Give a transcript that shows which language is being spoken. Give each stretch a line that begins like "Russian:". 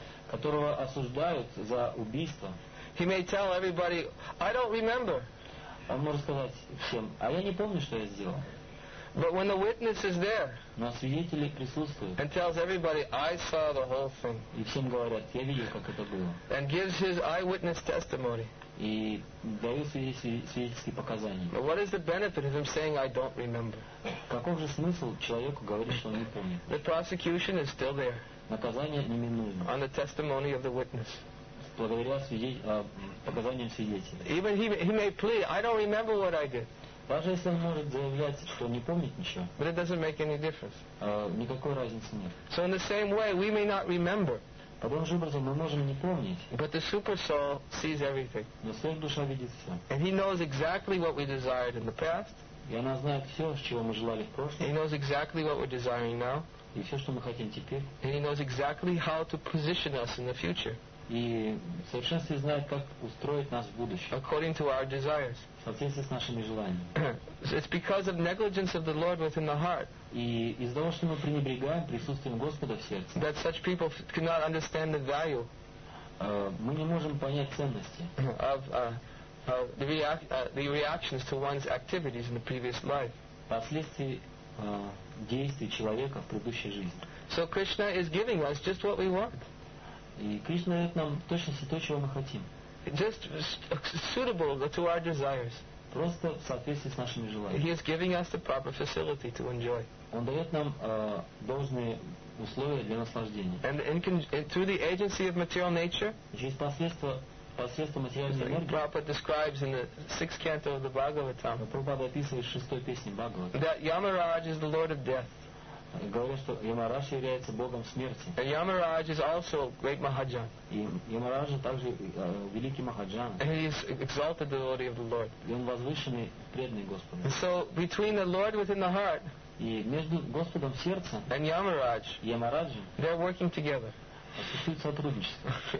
Russian: Которого осуждают за убийство.
English: He may tell everybody, I don't remember.
Russian: Он может сказать всем, а я не помню, что я сделал.
English: But when the witness is there,
Russian: но свидетели присутствуют,
English: and tells everybody, I saw the whole thing,
Russian: и всем говорят, я видел, как это было,
English: and gives his eyewitness testimony,
Russian: и дает свидетельские показания.
English: But what is the benefit of him saying, I don't remember?
Russian: Каков же смысл человеку говорить, что он не помнит?
English: The prosecution is still there.
Russian: Наказание неминуемо.
English: On the testimony of the witness.
Russian: Благодаря показаниям свидетеля.
English: Even he may plead, I don't remember what I did.
Russian: Даже если он может заявлять, что не помнит ничего.
English: But it doesn't make any difference.
Russian: Никакой разницы нет.
English: So in the same way, we may not remember.
Russian: Подобным же образом мы можем не помнить.
English: But the super soul sees everything.
Russian: Но сверхдуша видит все.
English: And he knows exactly what we desired in the past.
Russian: И она знает все, чего мы желали в прошлом.
English: He knows exactly what we're desiring now.
Russian: И все, что мы хотим теперь.
English: And he knows exactly how to position us in the future.
Russian: И в совершенстве знает, как устроить нас в будущем.
English: According to our desires.
Russian: В соответствии с нашими желаниями.
English: It's because of negligence of the Lord within the heart.
Russian: И из-за того, что мы пренебрегаем присутствием Господа в сердце.
English: That such people cannot understand the value.
Russian: Мы не можем понять ценности.
English: The reactions to one's activities in the previous life.
Russian: Последствия действий человека в предыдущей жизни.
English: So Krishna is giving us just what we want.
Russian: И Кришна дает нам точно все то, чего мы хотим.
English: Just suitable to our desires.
Russian: Просто в соответствии с нашими желаниями.
English: He is giving us the proper facility to enjoy.
Russian: Он дает нам должные условия для наслаждения.
English: And through the agency of material nature.
Russian: Через посредством материальной энергии.
English: The Prabhupada describes in the sixth canto of the Bhagavatam.
Russian: Прабхупада описывает в шестой песне Бхагавата.
English: That Yamaraj is the lord of death.
Russian: Говорят, что Ямарадж является богом смерти.
English: And Yamaraj is also great Mahajan.
Russian: И Ямарадж также великий Махаджан.
English: And he is exalted the glory of the Lord.
Russian: И он возвышенный, преданный Господу.
English: So between the Lord within the heart.
Russian: И между Господом в сердце.
English: And Yamaraj.
Russian: Ямараджи.
English: They are working together.
Russian: Осуществляют сотрудничество.